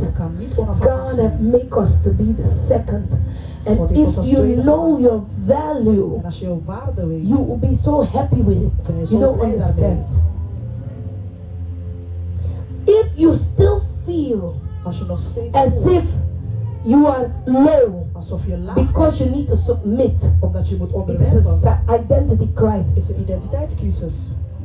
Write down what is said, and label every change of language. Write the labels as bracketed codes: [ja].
[nl] Je kan niet onafhankelijk zijn. [en] God has made us to be the second And if you know your value, [nl] en als je jouw waarde weet, [en] you will be so happy with it. You don't understand. If you still feel [nl] als je nog steeds [en] as if you are low, [nl] alsof je laag, [en] because you need to submit, [nl] omdat je moet onderwerpen, [en] it's an identity crisis. [nl] Is een identiteitscrisis.